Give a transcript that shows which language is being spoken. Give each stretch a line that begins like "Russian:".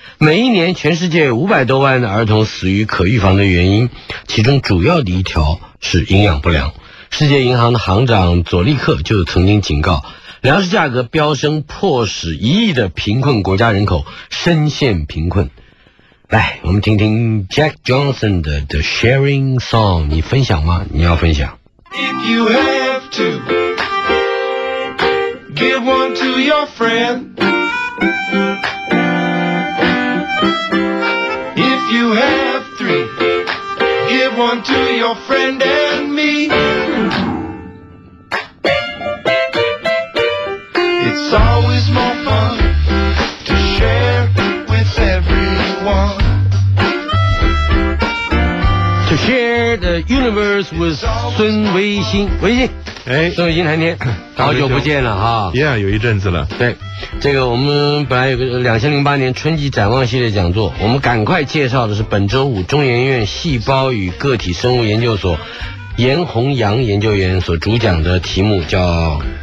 Chinese: 每一年全世界500多万的儿童死于可预防的原因，其中主要的一条是营养不良。世界银行的行长佐利克就曾经警告，粮食价格飙升迫使1亿的贫困国家人口深陷贫困。来，我们听听 Jack Johnson 的 The Sharing Song， 你分享吗？你要分享。
English: If you have to give one to your friendYou have three, give one to your friend and me. It's always more fun to share with everyone. To share the universe with 孙维新，维新。哎，
Chinese: 孙伟新谈天，好久不见了哈。 Yeah， 有一阵子了。对，这个我们本来有个2008年春季展望系列讲座，我们赶快介绍的是本周五中研院细胞与个体生物研究所严宏阳研究员所主讲的题目叫。